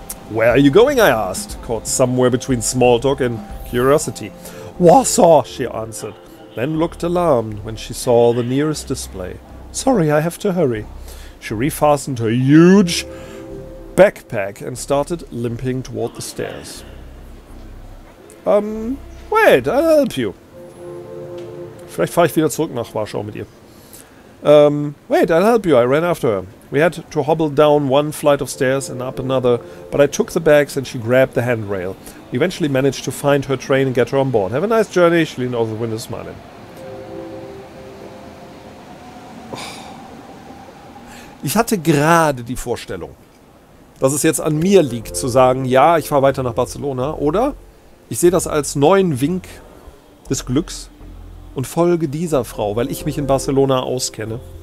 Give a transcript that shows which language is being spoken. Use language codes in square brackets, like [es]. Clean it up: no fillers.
[en] Where are you going, I asked, caught somewhere between smalltalk and curiosity. Warsaw, she answered, then looked alarmed when she saw the nearest display. Sorry, I have to hurry. She refastened her huge backpack and started limping toward the stairs. Wait, I'll help you. [de] Vielleicht fahre ich wieder zurück nach Warschau mit ihr. [en] Wait, I'll help you. I ran after her. We had to hobble down one flight of stairs and up another, but I took the bags and she grabbed the handrail. We eventually managed to find her train and get her on board. Have a nice journey, she leaned over the window smiling. [de] Ich hatte gerade die Vorstellung, dass es jetzt an mir liegt, zu sagen, ja, ich fahre weiter nach Barcelona, oder? Ich sehe das als neuen Wink des Glücks und folge dieser Frau, weil ich mich in Barcelona auskenne.